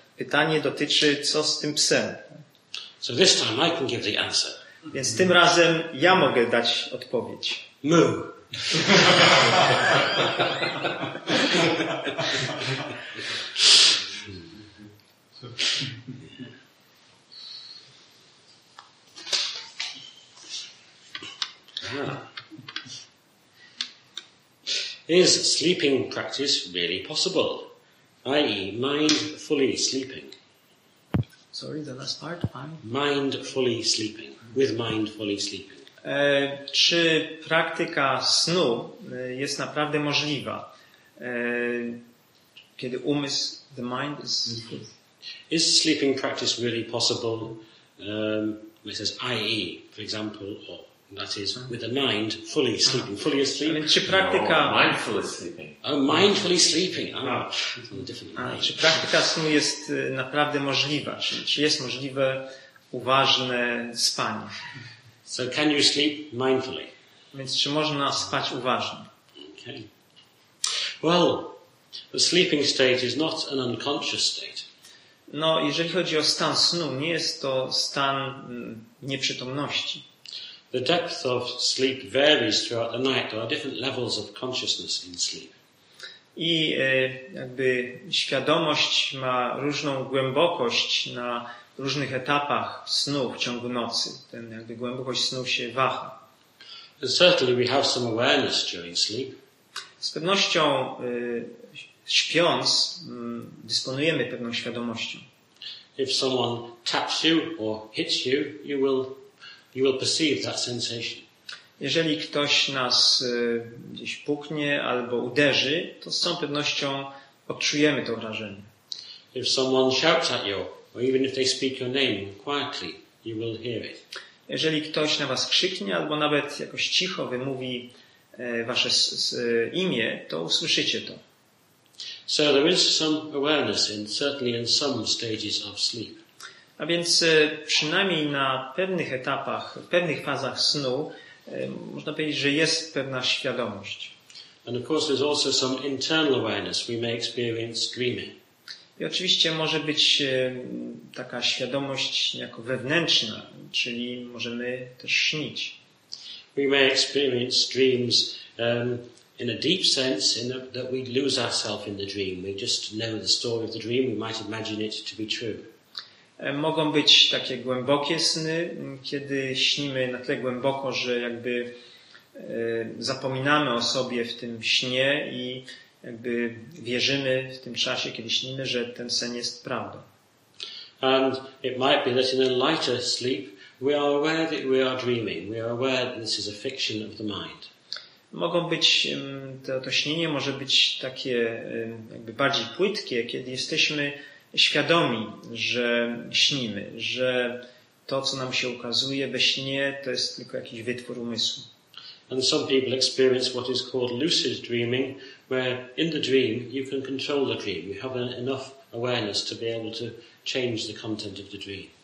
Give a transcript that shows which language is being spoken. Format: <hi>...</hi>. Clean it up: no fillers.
<pl>Pytanie dotyczy, co z tym psem.</pl> <en>So this time I can give the answer.</en> <pl>Więc tym razem ja mogę dać odpowiedź.</pl> <ja>Mu.</ja> <en>Is sleeping practice really possible? I.e. mindfully sleeping. Sorry, the last part. Mindfully sleeping. With mindfully sleeping.</en> <pl>Czy praktyka snu jest naprawdę możliwa? Kiedy umysł,</pl> <en>the mind is sleeping. Is sleeping practice really possible? It says i.e. for example, or that is, with the mind fully sleeping, fully asleep.</en> <pl>Czy praktyka</pl> <en>mindfully sleeping? Oh, mindfully sleeping. Different.</en> <pl>Czy praktyka snu jest naprawdę możliwa? Czy jest możliwe uważne spanie?</pl> <en>So can you sleep mindfully?</en> <pl>Więc czy można spać uważnie?</pl> <en>Okay. Well, the sleeping state is not an unconscious state.</en> <pl>No, jeżeli chodzi o stan snu, nie jest to stan nieprzytomności.</pl> <en>The depth of sleep varies throughout the night. There are different levels of consciousness in sleep.</en> <pl>I jakby świadomość ma różną głębokość na różnych etapach snu w ciągu nocy. Ten jakby głębokość snu się waha.</pl> <en>And certainly we have some awareness during sleep.</en> <pl>Z pewnością śpiąc dysponujemy pewną świadomością.</pl> <en>If someone taps you or hits you, you will perceive that sensation.</en> <pl>Jeżeli ktoś nas gdzieś puknie albo uderzy, to z całą pewnością odczujemy to wrażenie.</pl> <en>If someone shouts at you, or even if they speak your name quietly, you will hear it.</en> <pl>Jeżeli ktoś na was krzyknie albo nawet jakoś cicho wymówi wasze imię, to usłyszycie to.</pl> <en>So there is some awareness certainly in some stages of sleep.</en> <pl>A więc przynajmniej na pewnych etapach, pewnych fazach snu można powiedzieć, że jest pewna świadomość.</pl> <en>And of course there's also some internal awareness we may experience dreaming.</en> <pl>I oczywiście może być taka świadomość jako wewnętrzna, czyli możemy też śnić.</pl> <en>We may experience dreams in a deep sense that we lose ourselves in the dream. We just know the story of the dream, we might imagine it to be true.</en> <pl>Mogą być takie głębokie sny, kiedy śnimy na tyle głęboko, że jakby zapominamy o sobie w tym śnie i jakby wierzymy w tym czasie, kiedy śnimy, że ten sen jest prawdą.</pl> <en>And it might be that in a lighter sleep we are aware that we are dreaming. We are aware that this is a fiction of the mind.</en> <pl>Mogą być, to śnienie może być takie jakby bardziej płytkie, kiedy jesteśmy świadomi, że śnimy, że to, co nam się ukazuje we śnie, to jest tylko jakiś wytwór umysłu.</pl> <en>And some people experience what is called lucid dreaming, where in the dream you can control the dream. You have enough awareness to be able to change the content of the dream.</en>